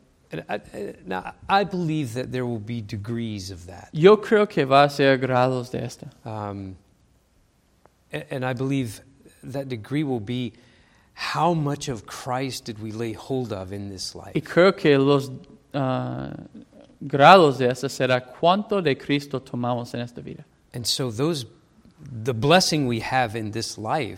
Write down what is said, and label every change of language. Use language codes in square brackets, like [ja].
[en] And now I believe that there will be degrees of that. [es] Yo creo que va a ser grados de esta. [en] And I believe that degree will be how much of Christ did we lay hold of in this life. [es] Y creo que los grados de eso será cuánto de Cristo tomamos en esta vida. [en] And so those, the blessing we have in this life,